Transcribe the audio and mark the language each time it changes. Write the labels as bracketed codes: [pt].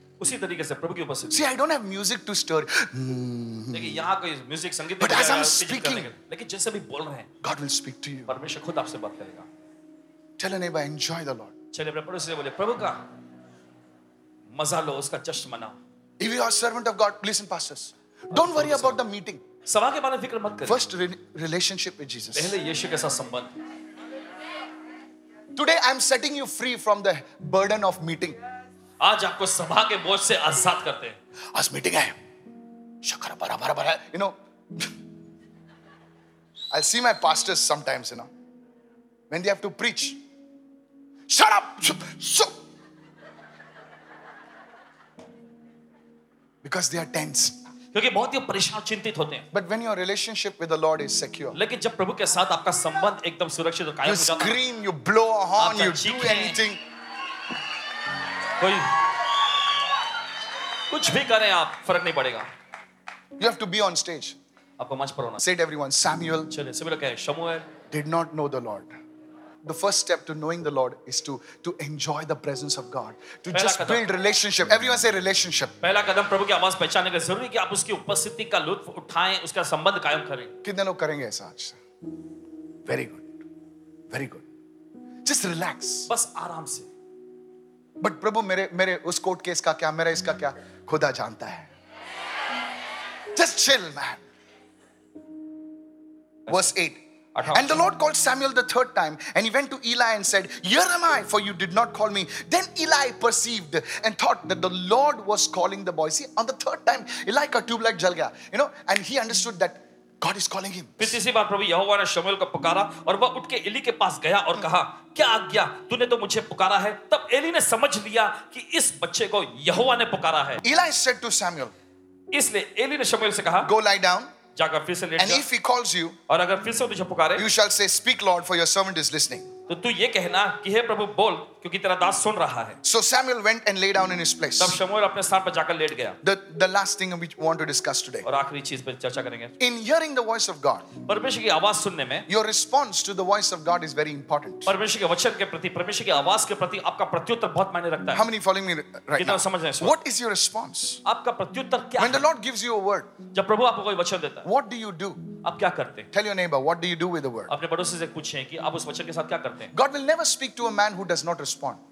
[hi] उसी तरीके से प्रभु की उपस्थिति. [en] See, I don't have music to stir. [hi] लेकिन यहाँ कोई music संगीत. [en] But as I'm speaking, [hi] लेकिन जैसे भी बोल रहे हैं, [en] God will speak to you. [hi] परमेश्वर खुद आपसे बात करेगा. [en] Tell your neighbor, enjoy the Lord. [hi] चले अपने पड़ोसी से बोले प्रभु का मजा लो, उसका जश्न मनाओ. [en] If you are servant of God, listen, pastors, don't worry about the meeting. [hi] सभा के बारे में फिक्र मत करो. [en] First relationship with Jesus. [hi] पहले यीशु के साथ संबंध. [en] Today I am setting you free from the burden of meeting. [hi] आज आपको सभा के बोझ से आजाद करते हैं. आज मीटिंग है. शकर बरा बरा बरा. [en] You know, I see my pastors sometimes. You know, when they have to preach. Shut up! Because they are tense. [hi] क्योंकि बहुत ही परेशान चिंतित होते हैं. [en] But when your relationship with the Lord is secure. [hi] लेकिन जब प्रभु के साथ आपका संबंध एकदम सुरक्षित और कायम हो जाता है. [en] You scream, you blow a horn, you do anything. [hi] कोई कुछ भी करें आप फर्क नहीं पड़ेगा. [en] You have to be on stage. [hi] आपको मंच पर होना. [en] Say it everyone. Samuel. [hi] चलिए सभी लोग कहें. Samuel. [en] Did not know the Lord. The first step to knowing the Lord is to enjoy the presence of God. To just build relationship. Everyone say relationship. [hi] पहला कदम प्रभु की आवाज पहचानने के लिए जरूरी है कि आप उसकी उपस्थिति का लुत्फ उठाएं, उसका संबंध कायम करें. कितने लोग करेंगे ऐसा आज? [en] Very good. Very good. Just relax. [hi] बस आराम से. But प्रभु मेरे उस कोर्ट केस का क्या, मेरा इसका क्या? खुदा जानता है. [en] Just chill, man. Verse 8. And the Lord called Samuel the third time, and he went to Eli and said, "Here am I, for you did not call me." Then Eli perceived and thought that the Lord was calling the boy. See, on the third time, Eli [hi] ka tube light jal gaya, [en] you know, and he understood that God is calling him. [hi] फिर तीसरी बार प्रभु यहोवा ने शमूएल को पुकारा और वह उठ के एली के पास गया और कहा, क्या आज्ञा? तूने तो मुझे पुकारा है. तब एली ने समझ लिया कि इस बच्चे को यहोवा ने पुकारा है. [en] Eli said to Samuel. [hi] इसलिए एली ने शमूएल से कहा, [en] Go lie down. [hi] जाकर फिर से लेट जा. [en] And if he calls you, [hi] और अगर फिर से तुझे पुकारे, [en] you shall say, "Speak, Lord, for your servant is listening." [hi] तो तू ये कहना कि हे प्रभु बोल, क्योंकि तेरा दास सुन रहा है. [en] So Samuel went and lay down in his place. [hi] तब शमूएल अपने स्थान पर जाकर लेट गया. [en] The last thing which we want to discuss today. [hi] और आखिरी चीज पर चर्चा करेंगे. [en] In hearing the voice of God, [hi] परमेश्वर की आवाज सुनने में, [en] your response to the voice of God is very important. [hi] परमेश्वर के वचन के प्रति, परमेश्वर की आवाज के प्रति आपका प्रत्युत्तर बहुत मायने रखता है. [en] How many following me right now? [hi] समझ रहे हैं? [en] What is your response? [hi] आपका प्रत्युत्तर क्या? [en] When the Lord gives you a word, [hi] जब प्रभु आपको कोई वचन देता है, [en] what do you do? [hi] आप क्या करते? [en] Tell your neighbor, what do you do with the word? [hi] अपने पड़ोसी से पूछें कि आप उस वचन के साथ क्या करते हैं? [en] God will never speak to a man who does not respond.